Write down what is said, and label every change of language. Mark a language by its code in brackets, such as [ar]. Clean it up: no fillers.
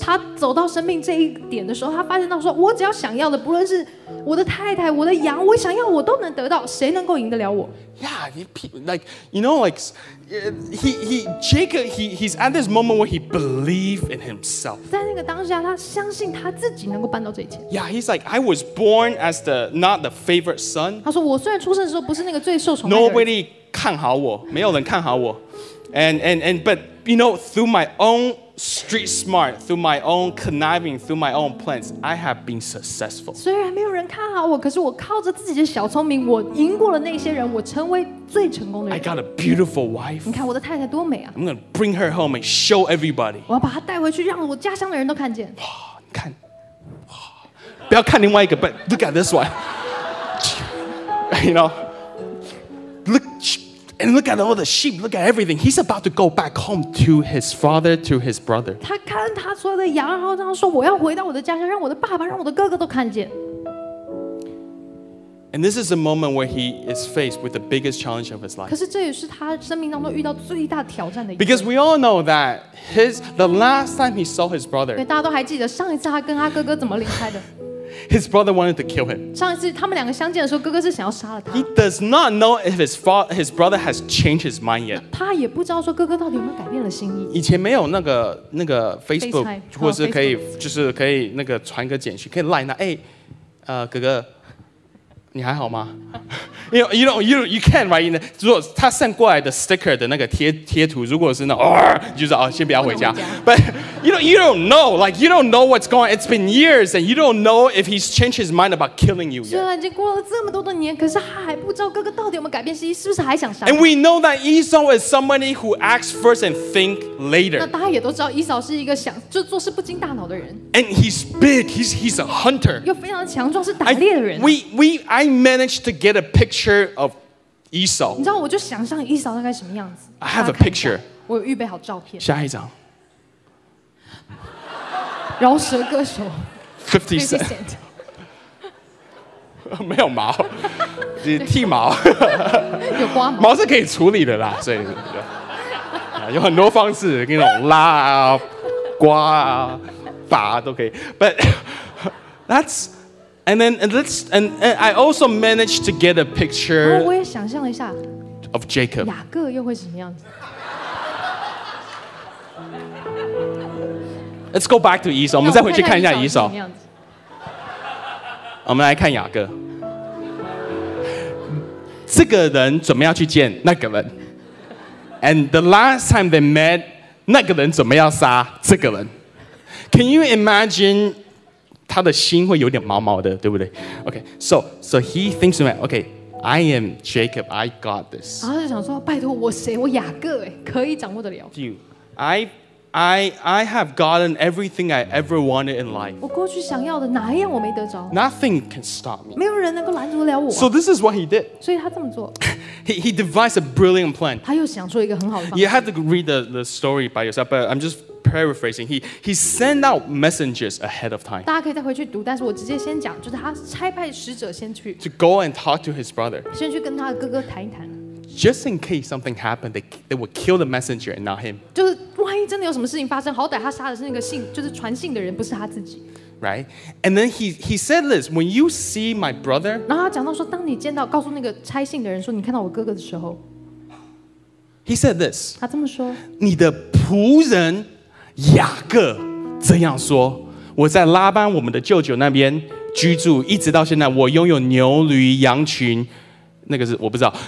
[zh] 他走到生命这一点的时候，他发现到说，我只要想要的，不论是我的太太，我的羊，我想要我都能得到，谁能够赢得了我？ [en] Yeah, like, you know, like, Jacob, he's at this moment where he believed in himself. [zh] 在那个当下，他相信他自己能够办到这一切。 [en] Yeah, he's like, I was born as the not the favorite son. [zh] 他说，我虽然出生的时候不是那个最受宠爱的。 [en] Nobody [zh] 看好我，没有人看好我。 [en] And but you know, through my own street smart, through my own conniving, through my own plans, I have been successful. [zh] 虽然没有人看好我，可是我靠着自己的小聪明，我赢过了那些人，我成为最成功的人。 [en] I got a beautiful wife. [zh] 你看我的太太多美啊！ [en] I'm gonna bring her home and show everybody. [zh] 我要把她带回去，让我家乡的人都看见。哇，你看，哇，不要看另外一个， [en] but look at this one. You know, look. And look at all the sheep, look at everything. He's about to go back home to his father, to his brother. [zh] 他看他所有的羊，然后这样说，我要回到我的家乡，让我的爸爸，让我的哥哥都看见。 [en] And this is a moment where he is faced with the biggest challenge of his life. [zh] 可是这也是他生命当中遇到最大挑战的一次。 [en] Because we all know that the last time he saw his brother. [zh] 对，大家都还记得上一次他跟他哥哥怎么离开的。 [en] His brother wanted to kill him. [zh] 上一次他们两个相见的时候，哥哥是想要杀了他。 [en] He does not know if his brother has changed his mind yet. [zh] 他也不知道说哥哥到底有没有改变了心意。以前没有那个 Facebook， 或是可以就是可以那个传个简讯，可以 line 他，哎，哥哥，你还好吗？ [en] you can't write in the, [zh] 如果他 send 过来的 sticker 的那个贴图，如果是那，就是先不要回家。 [en] But you don't know, like you don't know what's going on. It's been years, and you don't know if he's changed his mind about killing you yet. [zh] 虽然已经过了这么多的年，可是他还不知道哥哥到底有没有改变心意，是不是还想杀他。 [en] And we know that Esau is somebody who acts first and think later. [zh] 那大家也都知道，Esau是一个想就做事不经大脑的人。 [en] And he's big. He's a hunter. [zh] 又非常强壮，是打猎的人。 [en] I managed to get a picture of Esau. [zh] 你知道，我就想象Esau大概什么样子。 [en] I have a picture. [zh] 我有预备好照片。下一张。饶舌歌手。 50 Cent。 没有毛，你剃毛。有刮毛。毛是可以处理的啦，所以有很多方式，那种拉啊、刮啊、拔都可以。 [en] But that's. And I also managed to get a picture. [zh] 我也想象了一下 [en] of Jacob. [zh] 雅各又会是什么样子？ [en] Let's go back to Esau. [zh] 我们再回去看一下 [en] Esau. [zh] 我们来看雅各。这个人准备要去见那个人。 [en] And the last time they met, [zh] 那个人准备要杀这个人。 [en] Can you imagine? [zh] 他的心会有点毛毛的，对不对 [en] ？Okay, so he thinks about, okay, I am Jacob, I got this. [zh] 然后就想说，拜托我谁？我雅各哎，可以掌握得了。 [en] You, I have gotten everything I ever wanted in life. [zh] 我过去想要的哪一样我没得着 [en] ？Nothing can stop me. [zh] 没有人能够拦住了我。 [en] So this is what he did. [zh] 所以他这么做。 [en] He devised a brilliant plan. [zh] 他又想出一个很好的方法。 [en] You have to read the story by yourself, but I'm just. Paraphrasing, he sent out messengers ahead of time. [zh] 大家可以再回去读，但是我直接先讲，就是他差派使者先去 [en] to go and talk to his brother. [zh] 先去跟他的哥哥谈一谈 [en] Just in case something happened, they would kill the messenger and not him. [zh] 就是万一真的有什么事情发生，好歹他杀的是那个信，就是传信的人，不是他自己 [en] Right? And then he said this: When you see my brother, [zh] 然后他讲到说，当你见到告诉那个差信的人说你看到我哥哥的时候 [en] ，He said this. [zh] 他这么说，你的仆人。雅各这样说，我在拉班我们的舅舅那边居住，一直到现在，我拥有牛驴羊群，那个是我不知道。